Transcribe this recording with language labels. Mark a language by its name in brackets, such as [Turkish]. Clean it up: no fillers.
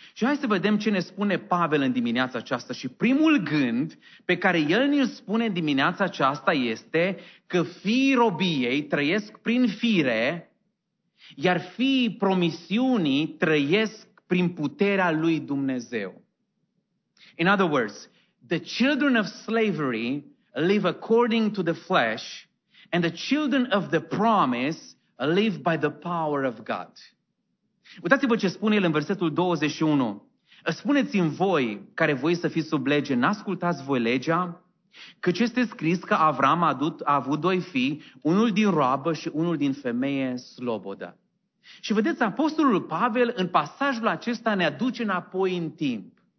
[Romanian] Și hai să vedem ce ne spune Pavel în dimineața aceasta. Și primul gând pe care el ne-l spune în dimineața aceasta este că fiii robiei trăiesc prin fire, iar fiii promisiunii trăiesc prin puterea lui Dumnezeu. [English] In other words, the children of slavery live according to the flesh and the children of the promise live by the power of God. [Romanian] Uitați-vă ce spune el în versetul 21. Spuneți-mi voi, care voi să fiți sub lege, n-ascultați voi legea? Căci este scris că Avram a avut doi fii, unul din roabă și unul din femeie slobodă. Și vedeți, Apostolul Pavel în pasajul acesta ne aduce înapoi în timp.